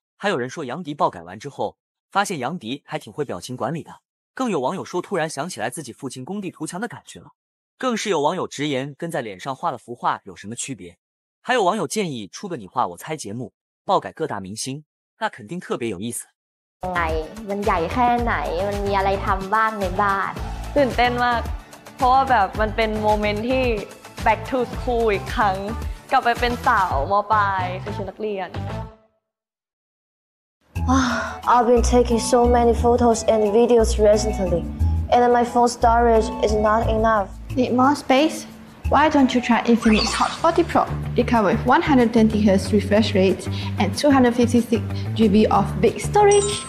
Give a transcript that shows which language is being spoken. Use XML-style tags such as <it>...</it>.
<zh>还有人说杨迪爆改完之后发现杨迪还挺会表情管理的，更有网友说突然想起来自己父亲工地图强的感觉了。更是有网友直言跟在脸上画了幅画有什么区别，还有网友建议出个你画我猜节目爆改各大明星，那肯定特别有意思。</zh> <th>ไงมันใหญ่แค่ไหนมันมีอะไรทำบ้างในบ้าน ตื่นเต้นมากเพราะว่าแบบมันเป็นโมเมนต์ที่</th> <en>back to school</en> <th>อีกครั้งกลับไปเป็นสาวม.ปลายคือชั้นนักเรียน</th> <en>I've been taking so many photos and videos recently, and my phone storage is not enough. Need more space? Why don't you try Infinix Hot 40 Pro? It comes with 120Hz refresh rate and 256GB of big storage.</en>